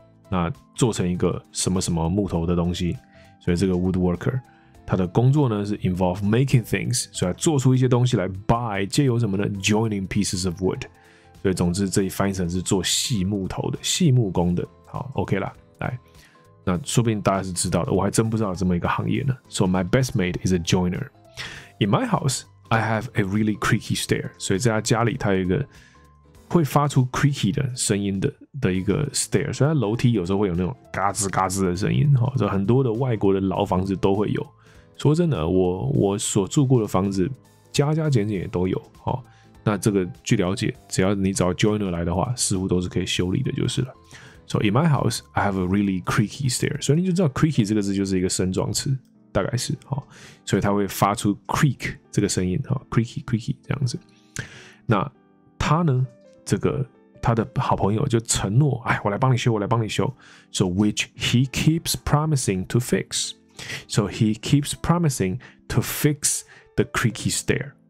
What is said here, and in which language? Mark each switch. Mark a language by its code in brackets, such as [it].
[zh] 那做成一个什么什么木头的东西，所以这个 woodworker 他的工作呢是 [en] involve making things， [zh] 所以做出一些东西来 by 借由什么呢 [en] joining pieces of wood， [zh] 所以总之这一翻译成是做细木头的，细木工的。好 ，OK 啦，来，那说不定大家是知道的，我还真不知道这么一个行业呢。 [en] So my best mate is a joiner. In my house, I have a really creaky stair. [zh] 所以在他家里，他有一个会发出 creaky 的声音的一个 stair， 所以它楼梯有时候会有那种嘎吱嘎吱的声音，所以很多的外国的老房子都会有。说真的，我所住过的房子加加减减也都有。那这个据了解，只要你找 joiner 来的话，似乎都是可以修理的，就是了。 [en] So in my house, I have a really creaky stair， [zh] 所以你就知道 creaky 这个字就是一个声状词，大概是，所以它会发出 creak 这个声音， creaky creaky 这样子。那它呢，这个他的好朋友就承诺，哎，我来帮你修，我来帮你修。 [en] So which he keeps promising to fix. So he keeps promising to fix the creaky stair.